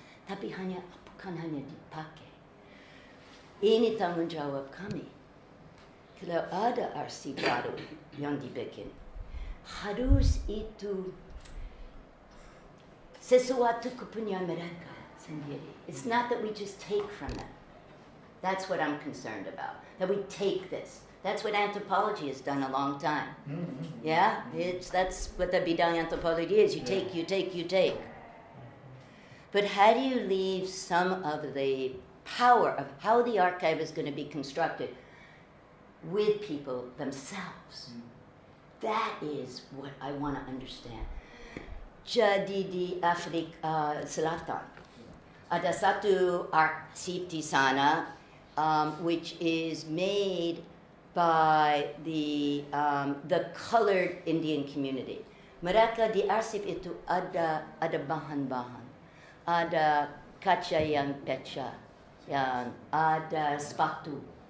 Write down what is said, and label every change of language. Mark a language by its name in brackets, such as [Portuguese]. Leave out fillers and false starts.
[Indonesian] Tapi hanya, bukan hanya dipakai. Ini tanggung jawab kami. Kalau ada arsip baru yang dibikin, harus itu sesuatu kepunyaan mereka sendiri. [English] It's not that we just take from them. That's what I'm concerned about. That we take this. That's what anthropology has done a long time. Mm-hmm. Yeah, that's what the Bidang anthropology is. You take, you take, you take. But how do you leave some of the power of how the archive is going to be constructed with people themselves? That is what I want to understand. [Indonesian] Jadi di Afrika Selatan, ada satu arsip di sana, [English] which is made by the colored Indian community. [Indonesian] Mereka di arsip itu ada bahan-bahan. Ada kaca yang pecah, yang ada sepatu.